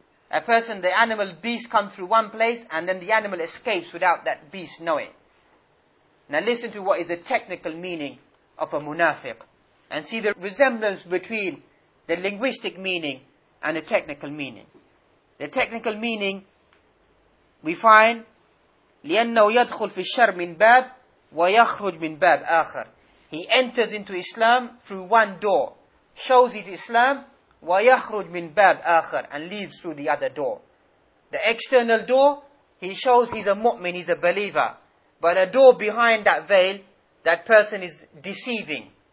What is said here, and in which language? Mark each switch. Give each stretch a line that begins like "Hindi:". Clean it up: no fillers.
English: A person, the animal, beast come through one place and then the animal escapes without that beast knowing. Now listen to what is the technical meaning of a munafiq. And see the resemblance between the linguistic meaning and the technical meaning. The technical meaning we find
Arabic: لِأَنَّهُ يَدْخُلْ فِي الشَّرْ مِنْ بَابٍ وَيَخْرُجْ مِنْ بَابٍ آخَرٍ.
English: He enters into Islam through one door, shows his Islam,
Arabic: وَيَخْرُجْ مِنْ بَابٍ آخَرٍ,
English: and leaves through the other door. The external door, he shows he's a mu'min, he's a believer. But a door behind that veil, that person is deceiving.